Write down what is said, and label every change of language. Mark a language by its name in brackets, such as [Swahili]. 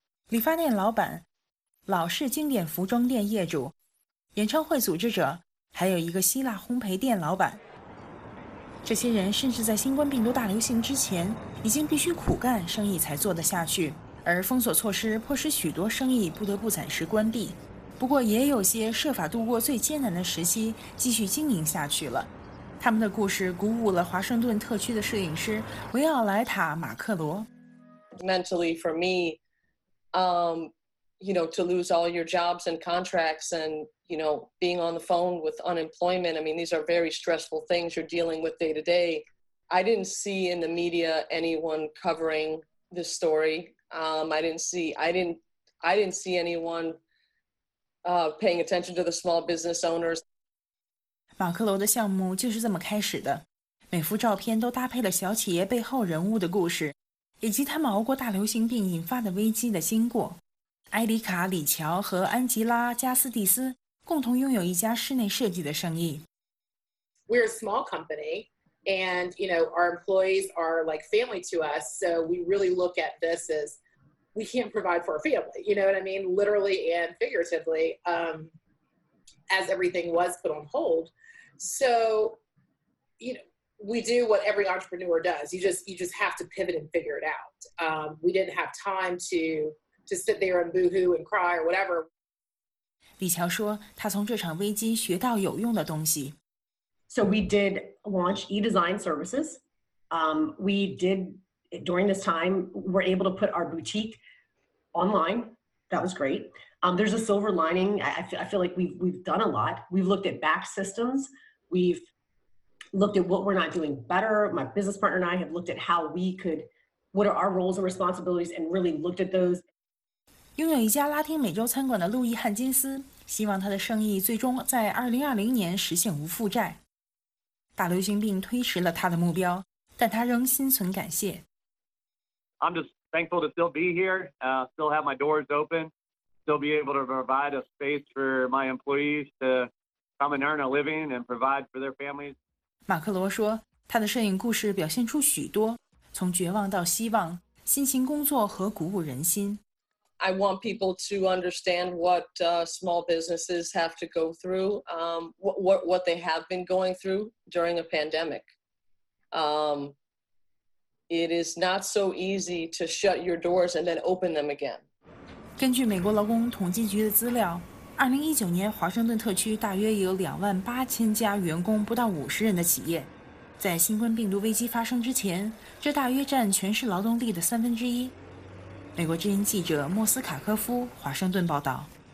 [Chinese] 理发店老板、老式经典服装店业主、演唱会组织者，还有一个希腊烘焙店老板，这些人甚至在新冠病毒大流行之前已经必须苦干生意才做得下去，而封锁措施迫使许多生意不得不暂时关闭，不过也有些设法度过最艰难的时期继续经营下去了。他们的故事鼓舞了华盛顿特区的摄影师维奥莱塔·马克罗。 [English] Mentally for me, you know, to lose all your jobs and contracts and, you know, being on the phone with unemployment, I mean, these are very stressful things you're dealing with day to day. I didn't see in the media anyone covering this story. I didn't see anyone paying attention to the small business owners. [Chinese] 马克罗的项目就是这么开始的，每幅照片都搭配了小企业背后人物的故事，以及他们熬过大流行病引发的危机的经过。埃里卡·李乔和安吉拉·加斯蒂斯共同拥有一家室内设计的生意。 [English] We're a small company, and you know our employees are like family to us. So we really look at this as we can't provide for our family. You know what I mean, literally and figuratively, as everything was put on hold. So, you know, we do what every entrepreneur does. You just have to pivot and figure it out. We didn't have time to sit there and boohoo and cry or whatever. [Chinese] 李乔说，他从这场危机学到有用的东西。 [English] So we did launch eDesign Services. We did, during this time, we're able to put our boutique online. That was great. There's a silver lining. I feel like we've done a lot. We've looked at back systems. We've looked at what we're not doing better. My business partner and I have looked at how we could, what are our roles and responsibilities, and really looked at those. [Chinese] 拥有一家拉丁美洲餐馆的路易·汉金斯希望他的生意最终在2020年实现无负债。大流行病推迟了他的目标，但他仍心存感谢。 [English] I'm just thankful to still be here, still have my doors open, still be able to provide a space for my employees to come and earn a living and provide for their families. [Chinese] 马克罗说，他的摄影故事表现出许多，从绝望到希望，辛勤工作和鼓舞人心。 [English] I want people to understand what small businesses have to go through, what they have been going through during a pandemic. It is not so easy to shut your doors and then open them again. [Chinese] 根据美国劳工统计局的资料，2019年华盛顿特区大约有28000家员工不到50人的企业，在新冠病毒危机发生之前，这大约占全市劳动力的1/3。美国之音记者莫斯卡科夫，华盛顿报道。